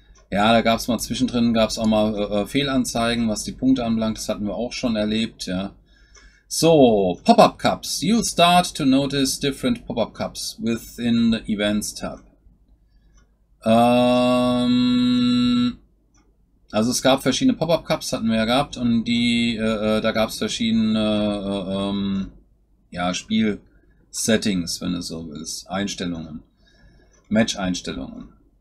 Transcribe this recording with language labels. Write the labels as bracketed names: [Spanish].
[German] Ja, da gab es mal zwischendrin, gab es auch mal Fehlanzeigen, was die Punkte anbelangt. Das hatten wir auch schon erlebt, ja. So, Pop-up Cups. [English] You start to notice different Pop-up Cups within the Events tab. [German] Also es gab verschiedene Pop-up Cups, hatten wir ja gehabt, und die, da gab es verschiedene, Spiel-Settings, wenn du so willst, Einstellungen, Match-Einstellungen.